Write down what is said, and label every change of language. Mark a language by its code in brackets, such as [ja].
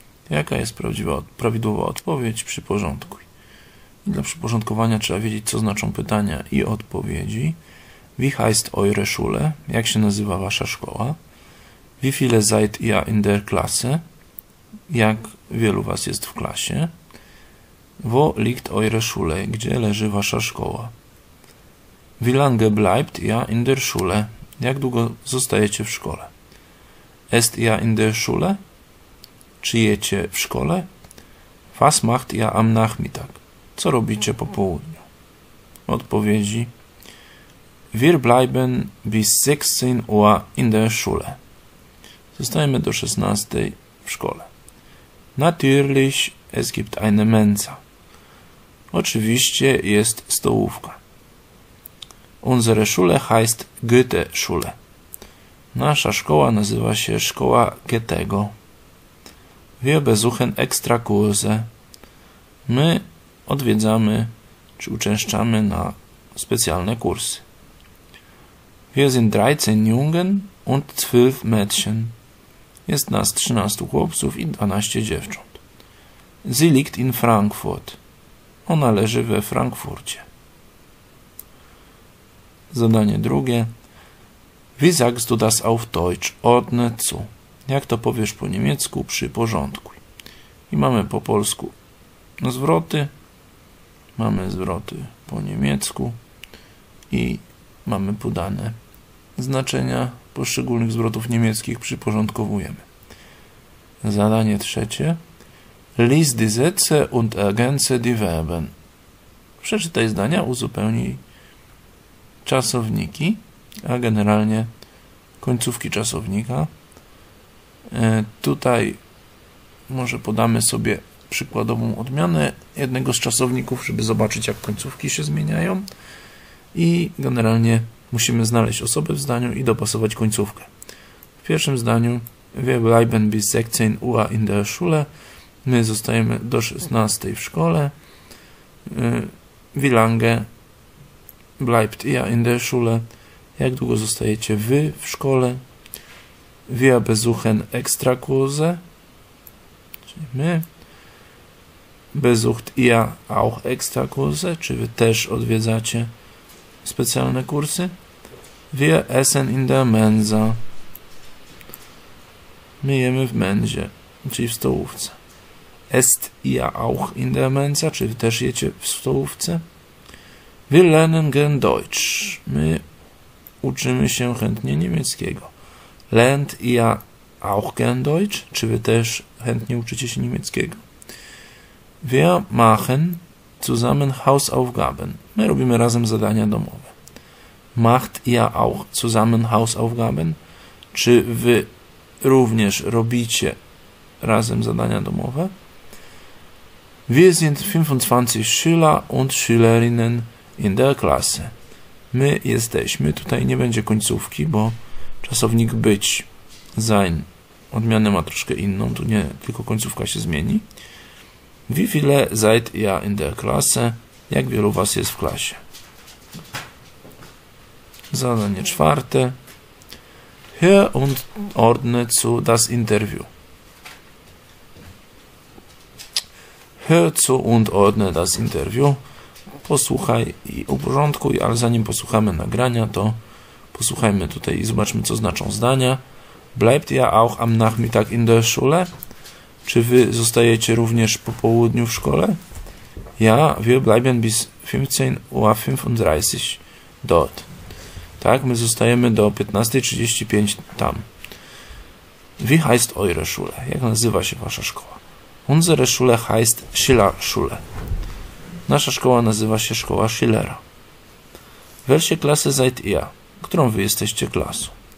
[pl] Jaka jest prawidłowa odpowiedź? Przyporządkuj. Dla przyporządkowania trzeba wiedzieć, co znaczą pytania i odpowiedzi. [de] Wie heißt eure Schule? [pl] Jak się nazywa wasza szkoła? [de] Wie viele seid ihr in der Klasse? [pl] Jak wielu was jest w klasie? [de] Wo liegt eure Schule? [pl] Gdzie leży wasza szkoła? [de] Wie lange bleibt ihr in der Schule? [pl] Jak długo zostajecie w szkole? [de] Est ihr in der Schule? [pl] Czy jecie w szkole? [de] Was macht ihr am Nachmittag? [pl] Co robicie po południu? Odpowiedzi. [de] Wir bleiben bis 16 Uhr in der Schule. [pl] Zostajemy do 16 w szkole. [de] Natürlich, es gibt eine Mensa. [pl] Oczywiście jest stołówka. [de] Unsere Schule heißt Goethe-Schule. [pl] Nasza szkoła nazywa się Szkoła Goethego. [de] Wir besuchen extra Kurse. [pl] My odwiedzamy czy uczęszczamy na specjalne kursy. [de] Wir sind 13 Jungen und 12 Mädchen. [pl] Jest nas 13 chłopców i 12 dziewcząt. [de] Sie liegt in Frankfurt. [pl] Ona leży we Frankfurcie. Zadanie drugie. [de] Wie sagst du das auf Deutsch? Ordne zu. [pl] Jak to powiesz po niemiecku? Przyporządkuj. I mamy po polsku zwroty. Mamy zwroty po niemiecku. I mamy podane znaczenia poszczególnych zwrotów niemieckich. Przyporządkowujemy. Zadanie trzecie. Lies die Sätze und ergänze die Verben. Przeczytaj zdania, uzupełnij czasowniki, a generalnie końcówki czasownika. Tutaj może podamy sobie przykładową odmianę jednego z czasowników, żeby zobaczyć, jak końcówki się zmieniają. I generalnie musimy znaleźć osobę w zdaniu i dopasować końcówkę. W pierwszym zdaniu [de] Wir bleiben bis 16 Uhr in der Schule. [pl] My zostajemy do 16 w szkole. [de] Wie lange bleibt ihr in der Schule? [pl] Jak długo zostajecie wy w szkole? [de] Wir besuchen extra Kurse. [pl] Czyli my. [de] Besucht ihr auch extra Kurse? [pl] Czy wy też odwiedzacie specjalne kursy? [de] Wir essen in der Mensa. [pl] My jemy w mędzie, czyli w stołówce. [de] Est ihr auch in der Mensa? [pl] Czy wy też jecie w stołówce? [de] Wir lernen gern Deutsch. [pl] My uczymy się chętnie niemieckiego. [de] Lernt ihr auch gern Deutsch? [pl] Czy wy też chętnie uczycie się niemieckiego? [de] Wir machen zusammen Hausaufgaben. [pl] My robimy razem zadania domowe. [de] Macht ihr auch zusammen Hausaufgaben? [pl] Czy wy również robicie razem zadania domowe? [de] Wir sind 25 Schüler und Schülerinnen in der Klasse. [pl] My jesteśmy, tutaj nie będzie końcówki, bo czasownik być, sein, odmianę ma troszkę inną, tu nie, tylko końcówka się zmieni. [de] Wie viele seid ihr in der Klasse? [pl] Jak wielu was jest w klasie? Zadanie czwarte. [de] Hör und ordne zu das Interview. Hör zu und ordne das Interview. [pl] Posłuchaj i uporządkuj, ale zanim posłuchamy nagrania, to posłuchajmy tutaj i zobaczmy, co znaczą zdania. [de] Bleibt ihr auch am Nachmittag in der Schule? [pl] Czy wy zostajecie również po południu w szkole? [de] Ja, wir bleiben bis 15.35 Uhr dort. [pl] Tak, my zostajemy do 15.35 tam. [de] Wie heißt eure Schule? [pl] Jak nazywa się wasza szkoła? [de] Unsere Schule heißt Schiller-Schule. [pl] Nasza szkoła nazywa się Szkoła Schillera. [de] Welche Klasse seid ihr? [pl] Którą wy jesteście klasą?